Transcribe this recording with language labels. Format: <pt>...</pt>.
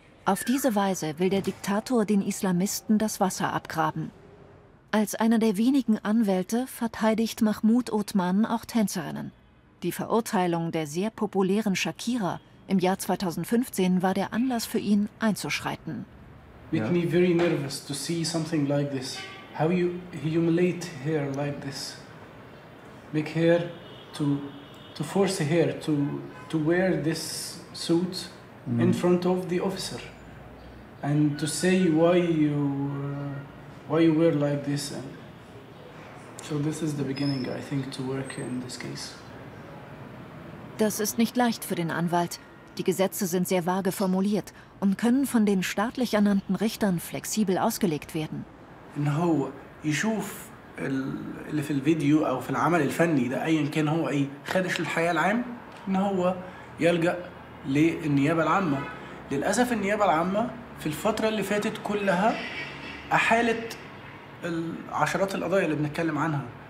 <de>Auf diese Weise will der Diktator den Islamisten das Wasser abgraben. Als einer der wenigen Anwälte verteidigt Mahmoud Othman auch Tänzerinnen. Die Verurteilung der sehr populären Shakira im Jahr 2015 war der Anlass für ihn einzuschreiten.</de> <en>Made me very nervous to see something like this. How you humiliate her like this. Make her to force her to wear this suit in front of the officer and to say why you wear like this. And so this is the beginning, I think, to work in this case.</en> <de>Das ist nicht leicht für den Anwalt. Die Gesetze sind sehr vage formuliert und können von den staatlich ernannten Richtern flexibel ausgelegt werden.</de> <en>Now,</en> <ar>يشوف اللي في الفيديو او في العمل الفني ده ايا كان هو اي خارج الحياه العام ان هو يلجا للنيابه العامه. للاسف النيابه العامه في الفتره اللي فاتت كلها احالت العشرات القضايا اللي بنتكلم عنها.</ar>